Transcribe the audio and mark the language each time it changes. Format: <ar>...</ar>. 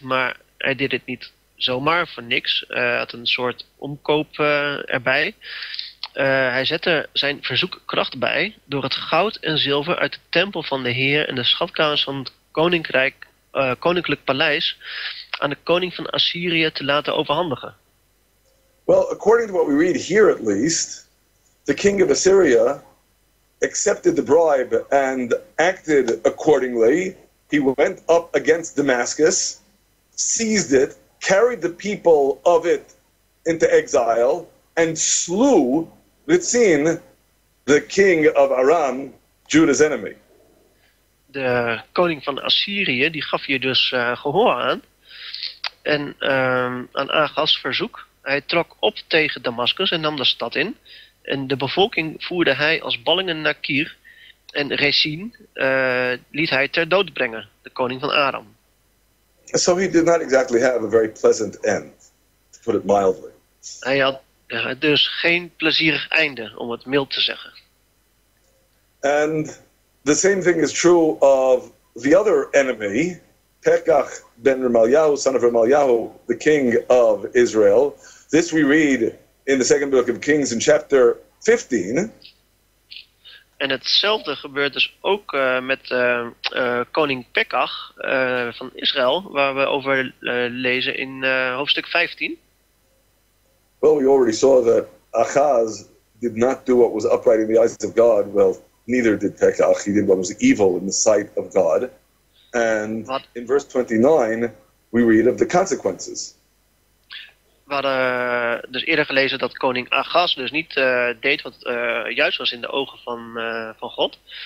<nl>Maar hij deed het niet zomaar voor niks. Hij had een soort omkoop erbij. Hij zette zijn verzoek kracht bij door het goud en zilver uit de tempel van de Heer en de schatkamers van het koninklijk paleis aan de koning van Assyrië te laten overhandigen.</nl> <en>Well, according to what we read here at least, the king of Assyria accepted the bribe and acted accordingly. He went up against Damascus, seized it, carried the people of it into exile, and slew Ritzin, the king of Aram, Judah's enemy.</en> <nl>De koning van Assyrië die gaf hier dus gehoor aan. En aan Achaz verzoek. Hij trok op tegen Damascus en nam de stad in. En de bevolking voerde hij als ballingen naar Kir. En Resin liet hij ter dood brengen, de koning van Aram.</nl> <en>So he did not exactly have a very pleasant end, to put it mildly.</en> <nl>Hij had dus geen plezierig einde, om het mild te zeggen.</nl> <en>And the same thing is true of the other enemy, Pekach ben Remaliahu, son of Remaliahu, the king of Israel. This we read in the second book of Kings in chapter 15.</en> <nl>En hetzelfde gebeurt dus ook met koning Pekach van Israël, waar we over lezen in hoofdstuk 15.</nl> <en>Well, we already saw that Achaz did not do what was upright in the eyes of God. Well, neither did Pekach. He did what was evil in the sight of God. And what? In verse 29, we read of the consequences.</en> <nl>We hadden dus eerder gelezen dat koning Achaz dus niet deed wat juist was in de ogen van God.</nl>